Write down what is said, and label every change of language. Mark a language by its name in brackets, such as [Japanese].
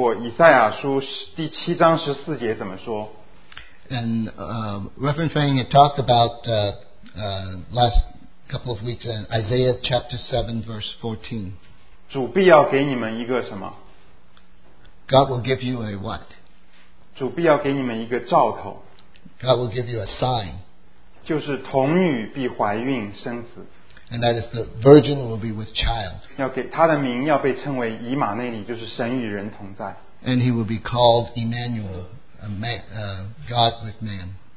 [Chinese] 所以冯牧师上个月讲过以赛亚书第7章14节怎么说。 [English] And Reverend Fang had talked about last couple of weeks in Isaiah chapter 7 verse 14. [Chinese] 主必要给你们一个什么？ [English] God will give you a what? [Chinese] 主必要给你们一个兆头。 [English] God will give you a sign. [Chinese] 就是童女必怀孕生子。 [English] And that is the virgin will be with child. [Chinese] 要给他的名要被称为以马内利，就是神与人同在。 [English] And he will be called Emmanuel, a man, God with man.